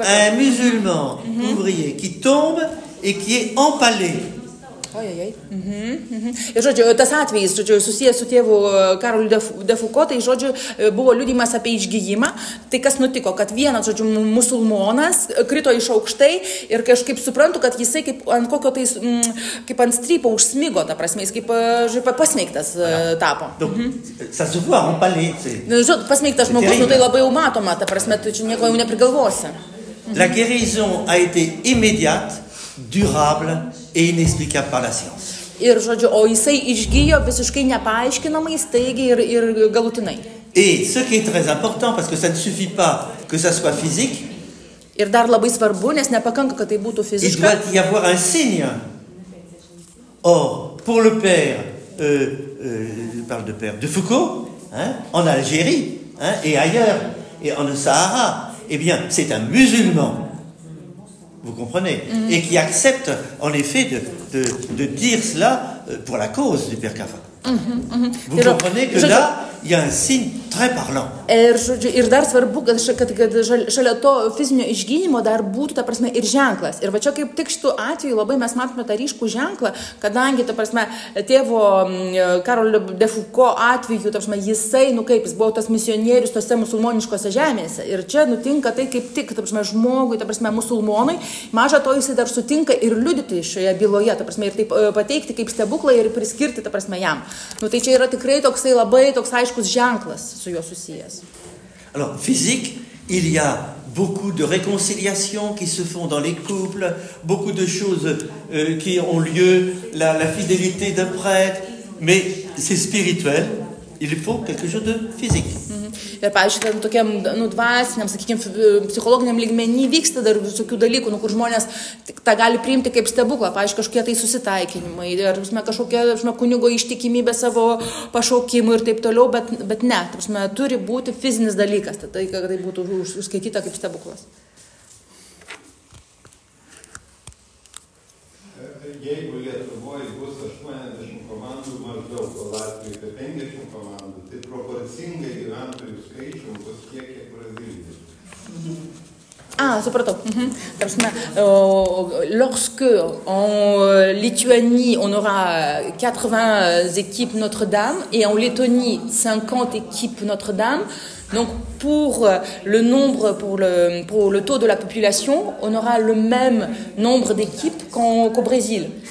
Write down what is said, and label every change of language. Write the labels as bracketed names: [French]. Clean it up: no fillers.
[French] Un musulman ouvrier qui tombe et qui est empalé. [Lithuanian] Ir, žodžiu, tas atvejis, žodžiu, susijęs su tėvu Karoliu de Foucault, tai, žodžiu, buvo liudimas apie išgyjimą. Tai kas nutiko, kad vienas, žodžiu, musulmonas krito iš aukštai ir kažkaip suprantu, kad jisai kaip ant kokio tais, kaip ant strypo užsmigo, ta prasme, jis kaip, žodžiu, pasmeigtas tapo. Žodžiu, pasmeigtas žmogus, nu tai labai jau matoma, ta prasme, tu čia nieko jau neprigalvosi. [French] La guérison a été immédiate, durable et inexplicable par la science. [Lithuanian] Ir, žodžiu, o jisai išgyjo visiškai nepaaiškinamai, staigiai ir galutinai. [French] Et ce qui est très important, parce que ça ne suffit pas que ça soit physique. [Lithuanian] Ir dar labai svarbu, nes nepakanka, kad tai būtų fiziška. [French] Il doit y avoir un signe. Or, pour le père, je parle de père de Foucault, hein, en Algérie, hein, et ailleurs, et en Sahara, eh bien, c'est un musulman. Vous comprenez, mm-hmm. Et qui accepte en effet de dire cela pour la cause du père Kafa. Mm-hmm. Vous comprenez que là, il y a un signe très parlant. [Lithuanian] Ir dar svarbu, kad šalia to fizinio išgynimo dar būtų, ta prasme, ir ženklas. Ir va čia kaip tik šitų atveju labai mes matome tą ryškų ženklą, kadangi, ta prasme, tėvo Karolio de Fuko atveju, ta prasme, jisai, nu kaip, jis buvo tas misionierius tose musulmoniškose žemėse. Ir čia nutinka tai kaip tik, ta prasme, žmogui, ta prasme, musulmonui, maža to jisai dar sutinka ir liudyti šioje byloje, ta prasme, ir taip pateikti kaip stebuklą ir priskirti, ta prasme, jam. Nu tai čia yra tikrai toksai labai toks aiškus ženklas su juo susijęs. [French] Alors, physique, il y a beaucoup de réconciliations qui se font dans les couples, beaucoup de choses qui ont lieu, la fidélité d'un prêtre, mais c'est spirituel, il faut quelque chose de physique. [Lithuanian] Ir, pavyzdžiui, ten tokiam nu, dvasiniam, sakykime, psichologiniam lygmenį vyksta dar visokių dalykų, nu, kur žmonės tą gali priimti kaip stebuklą, pavyzdžiui, kažkokie tai susitaikinimai, ar visme, kažkokie visme, kunigo ištikimybė savo pašaukimų ir taip toliau, bet ne, visme, turi būti fizinis dalykas, tai, kad tai būtų užskaityta kaip stebuklas. Jeigu Lietuvoje bus 80 komandų maždaug, o Latvijoje 50 komandų, tai proporcingai gyventojų skaičių bus kiek į Braziliją. Supratau. Mm-hmm. [French] Lorsque en Lituanie, on aura 80 équipes Notre-Dame et en Lettonie, 50 équipes Notre-Dame. Donc, pour le nombre, pour le taux de la population, on aura le même nombre d'équipes qu'au Brésil.